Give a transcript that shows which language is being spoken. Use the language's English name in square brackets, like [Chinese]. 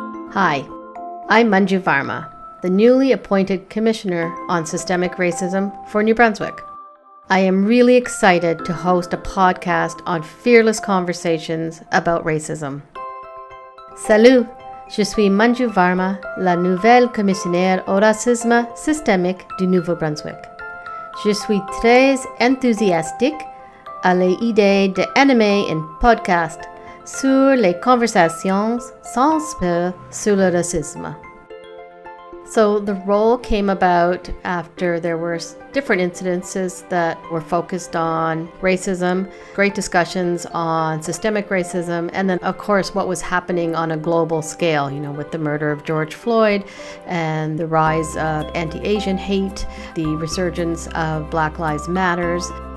[English] Hi, I'm Manju Varma, the newly appointed Commissioner on Systemic Racism for New Brunswick. I am really excited to host a podcast on fearless conversations about racism. [French] Salut, je suis Manju Varma, la nouvelle commissionnaire au racisme systémique du Nouveau Brunswick. Je suis très enthousiastique à l'idée d'animer un podcast sur les conversations sans peur sur le racisme. [English] So the role came about after there were different incidences that were focused on racism, great discussions on systemic racism, and then of course what was happening on a global scale, you know, with the murder of George Floyd and the rise of anti-Asian hate, the resurgence of Black Lives Matters.